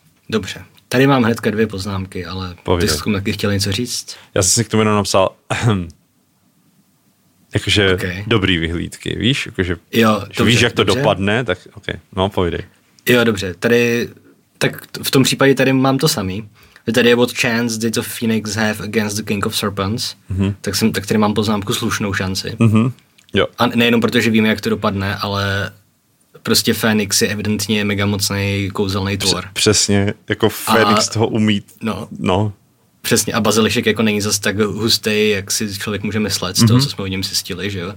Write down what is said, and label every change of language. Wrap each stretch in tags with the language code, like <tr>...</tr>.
<cs>Dobře, tady mám hnedka dvě poznámky, ale povídej. Ty jsi taky chtěl něco říct? Já jsem si k tomu jenom napsal, jakože dobrý vyhlídky, víš? Jakože, jo, dobře, víš, jak to dopadne, tak okay. No, povídej. Jo, dobře, tady Tak v tom případě tady mám to samý. Tady je</cs> <en>what chance did the Phoenix have against the King of Serpents. Mm-hmm.</en> <cs>Tak tady mám poznámku slušnou šanci. Mm-hmm. Jo. A nejenom protože víme, jak to dopadne, ale prostě Phoenix je evidentně mega mocný kouzelný tvor. Přesně, jako Phoenix toho umí. No. No. Přesně, a Bazilišek jako není zas tak hustej, jak si člověk může myslet z toho, mm-hmm. co jsme o něm zjistili, že jo?</cs>